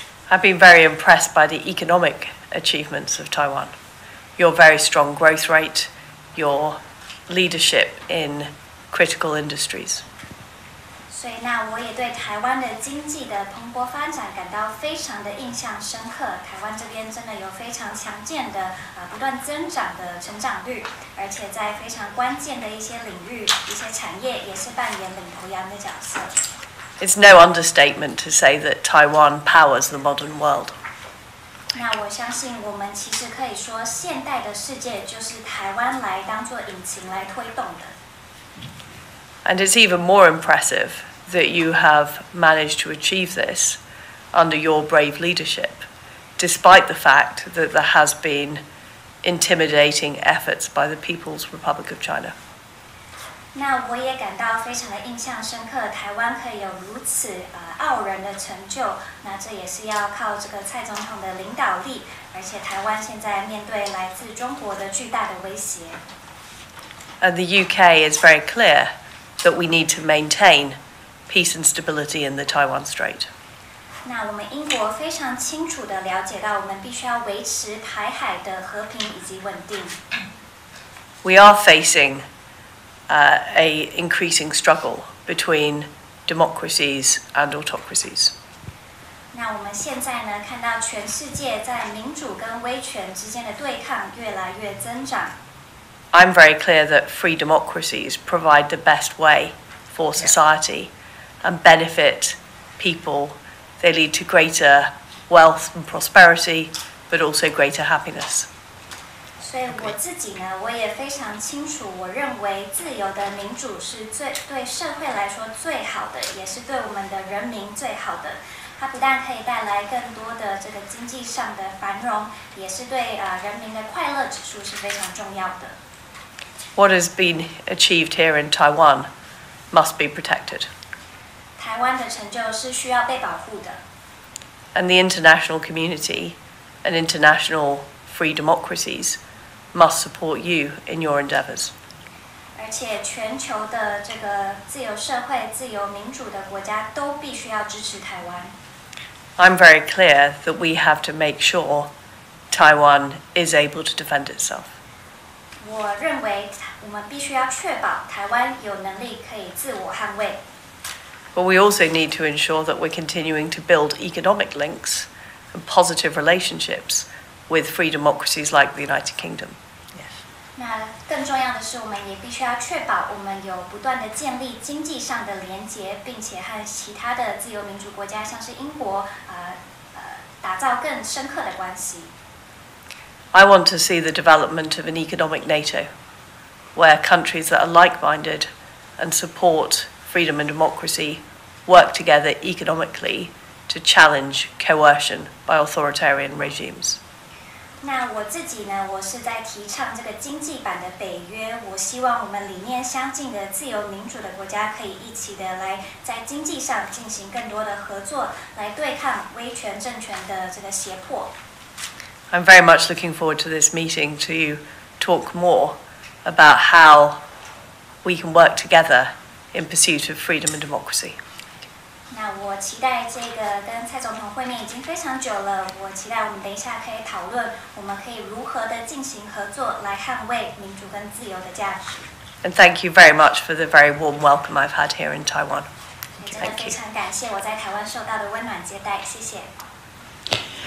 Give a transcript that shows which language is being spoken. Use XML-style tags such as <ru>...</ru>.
<en>I've been very impressed by the economic achievements of Taiwan. Your very strong growth rate, your leadership in critical industries.</en> <zh>所以那我也对台湾的经济的蓬勃发展感到非常的印象深刻。台湾这边真的有非常强健的不断增长的成长率，而且在非常关键的一些领域、一些产业也是扮演领头羊的角色。</zh> <en>It's no understatement to say that Taiwan powers the modern world.</en> <zh>那我相信我们其实可以说，现代的世界就是台湾来当作引擎来推动的。</zh> <en>And it's even more impressive that you have managed to achieve this under your brave leadership, despite the fact that there has been intimidating efforts by the People's Republic of China.</en> <zh>那我也感到非常的印象深刻，台湾可以有如此傲人的成就，那这也是要靠这个蔡总统的领导力，而且台湾现在面对来自中国的巨大的威胁。</zh> <en>And the UK is very clear. That we need to maintain peace and stability in the Taiwan Strait.</en> <zh>那我们英国非常清楚地了解到，我们必须要维持台海的和平以及稳定。</zh> <en>We are facing an increasing struggle between democracies and autocracies.</en> <zh>那我们现在呢，看到全世界在民主跟威权之间的对抗越来越增长。</zh> <en>I'm very clear that free democracies provide the best way for society and benefit people. They lead to greater wealth and prosperity, but also greater happiness.</en> <zh>所以我自己呢，我也非常清楚，我认为自由的民主是最对社会来说最好的，也是对我们的人民最好的。它不但可以带来更多的这个经济上的繁荣，也是对人民的快乐指数是非常重要的。</zh> <en>What has been achieved here in Taiwan must be protected.</en> <zh>台湾的成就是需要被保护的。</zh> <en>And the international community and international free democracies must support you in your endeavors.</en> <zh>而且全球的这个自由社会、自由民主的国家都必须要支持台湾。</zh> <en>I'm very clear that we have to make sure Taiwan is able to defend itself.</en> <zh>我认为我们必须要确保台湾有能力可以自我捍卫。</zh> <en>But we also need to ensure that we're continuing to build economic links and positive relationships with free democracies like the United Kingdom. Yes.</en> <zh>那更重要的是，我们也必须要确保我们有不断的建立经济上的连结，并且和其他的自由民主国家，像是英国，打造更深刻的关系。</zh> <en>I want to see the development of an economic NATO, where countries that are like-minded and support freedom and democracy work together economically to to challenge coercion by authoritarian regimes.</en> <zh>那我自己呢，我是在提倡这个经济版的北约。我希望我们理念相近的自由民主的国家可以一起的来在经济上进行更多的合作，来对抗威权政权的这个胁迫。</zh> <en>I'm very much looking forward to this meeting to talk more about how we can work together in pursuit of freedom and democracy.</en> <zh>那我期待这个跟蔡总统会面已经非常久了，我期待我们等一下可以讨论我们可以如何的进行合作，来捍卫民主跟自由的价值。</zh> <en>And thank you very much for the very warm welcome I've had here in Taiwan. Thank you.</en> <zh>非常感谢我在台湾受到的温暖接待，谢谢。</zh>